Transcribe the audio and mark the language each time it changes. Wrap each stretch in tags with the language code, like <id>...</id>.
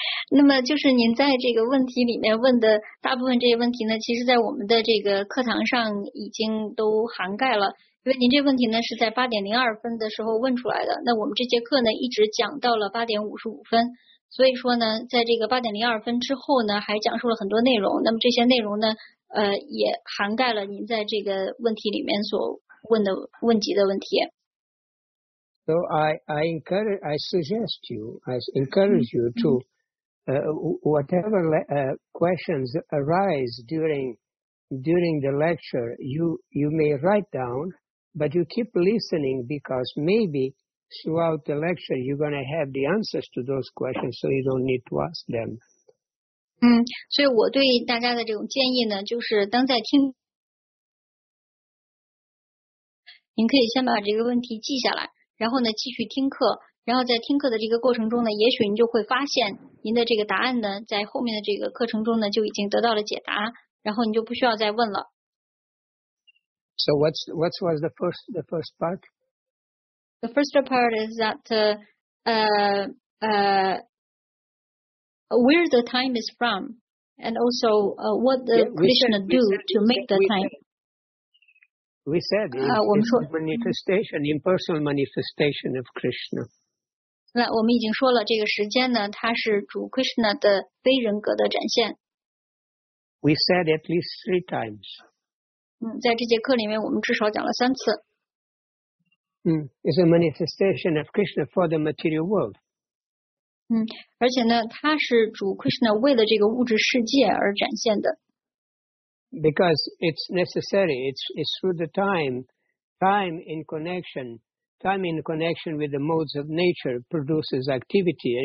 <zh>那么就是您在这个问题里面问的大部分这些问题呢，其实在我们的这个课堂上已经都涵盖了，因为您这问题呢是在8:02的时候问出来的，那我们这节课呢一直讲到了8:55，所以说呢在这个8:02之后呢还讲述了很多内容，那么这些内容呢也涵盖了您在这个问题里面所问的问及的问题。</zh> <en>So I encourage you to whatever questions arise during the lecture, you may write down, but you keep listening because maybe throughout the lecture you're going to have the answers to those questions, so you don't need to ask them.</en> <zh>所以我对大家的这种建议呢，就是当在听，您可以先把这个问题记下来。然后呢继续听课，然后在听课的这个过程中呢，也许您就会发现您的这个答案呢在后面的这个课程中呢就已经得到了解答，然后你就不需要再问了。</zh> <en>So what was the first part? The first part is that where the time is from and also what the Krishna do to make the time. We said it's a manifestation, impersonal manifestation of Krishna.</en> <zh>那我们已经说了，这个时间呢，它是主 Krishna 的非人格的展现。</zh> <en>We said at least 3 times.</en> <zh>在这节课里面，我们至少讲了三次。</zh> <en>It's a manifestation of Krishna for the material world.</en> <zh>而且呢，它是主 Krishna 为了这个物质世界而展现的。</zh> <en>Because it's necessary, it's through the time in connection with the modes of nature produces activity.</en>